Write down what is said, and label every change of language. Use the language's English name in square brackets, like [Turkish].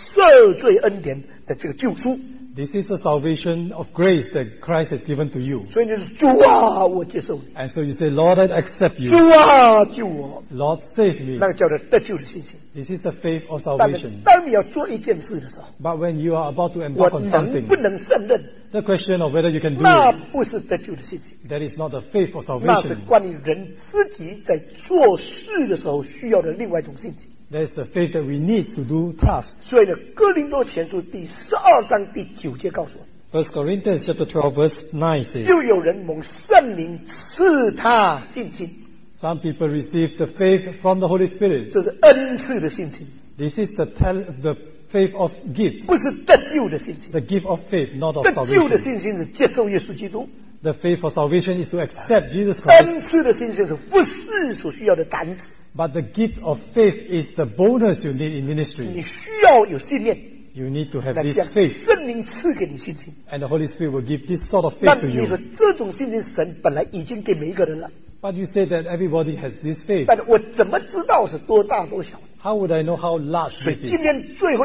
[Chinese] 在你身上施行赦罪恩典的这个救赎。 [English] This is the salvation of grace that Christ has given to you. [Chinese] 所以你说主啊，我接受你。 [English] And so you say, Lord, I accept you. [Chinese] 主啊，救我。 [English] Lord, save me. [Chinese] 那个叫做得救的信心。 [English] This is the faith of salvation. [Chinese] 当你要做一件事的时候。 [English] But when you are about to embark on something. [Chinese] 我能不能胜任。 [English] The question of whether you can do it. [Chinese] 那不是得救的信心。 [English] That is not the faith of salvation. [Chinese] 那是关于人自己在做事的时候需要的另外一种信心。 [English] That is the faith that we need to do tasks. [Chinese] 所以呢, 哥林多前书第12章第9节告诉我, [English] 1 Corinthians chapter 12 verse 9 says, [Chinese] 又有人蒙圣灵赐他信心。 [English] Some people receive the faith from the Holy Spirit. [Chinese] 这是恩赐的信心。 [English] This is the faith of gift. [Chinese] 不是得救的信心。 [English] The gift of faith, not of salvation. [Chinese] 得救的信心是接受耶稣基督。 [English] The faith for salvation is to accept Jesus Christ. [Chinese] 恩赐的信心是服事所需要的胆子。 [English] But the gift of faith is the bonus you need in ministry. [Chinese] 你需要有信念, [English] you need to have this faith. [Chinese] 圣灵赐给你信心, [English] and the Holy Spirit will give this sort of faith to you. [Chinese] 那你说这种信心神本来已经给每一个人了。 [English] But you say that everybody has this faith. [Chinese] 但我怎么知道是多大多小? [English] How would I know how large this is?